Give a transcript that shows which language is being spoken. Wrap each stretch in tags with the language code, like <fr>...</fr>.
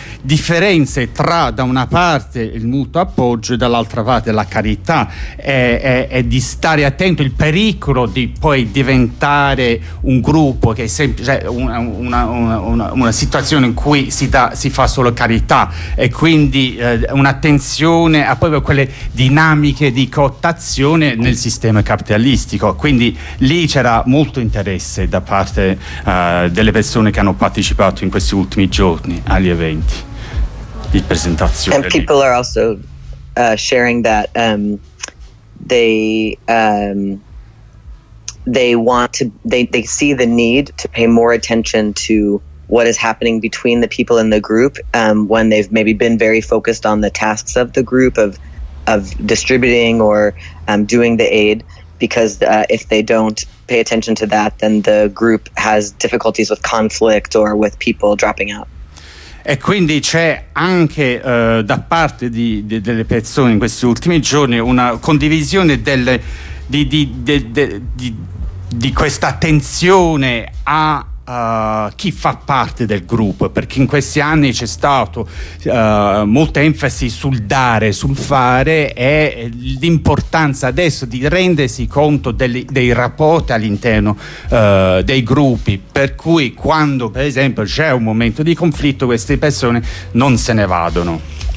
<it>differenze tra, da una parte, il mutuo appoggio e dall'altra parte la carità, e di stare attento al pericolo di poi diventare un gruppo che è semplice, cioè una situazione in cui si fa solo carità, e quindi un'attenzione a proprio quelle dinamiche di cooptazione nel sistema capitalistico. Quindi lì c'era molto interesse da parte delle persone che hanno partecipato in questi ultimi giorni agli eventi di presentazione.</it> <en>And people are also sharing that they see the need to pay more attention to what is happening between the people in the group when they've maybe been very focused on the tasks of the group of distributing or doing the aid, because if they don't pay attention to that, then the group has difficulties with conflict or with people dropping out.</en> <it>E quindi c'è anche da parte di delle persone in questi ultimi giorni una condivisione di questa attenzione a chi fa parte del gruppo, perché in questi anni c'è stato molta enfasi sul dare, sul fare, e l'importanza adesso di rendersi conto dei rapporti all'interno dei gruppi, per cui quando per esempio c'è un momento di conflitto queste persone non se ne vadono.</it>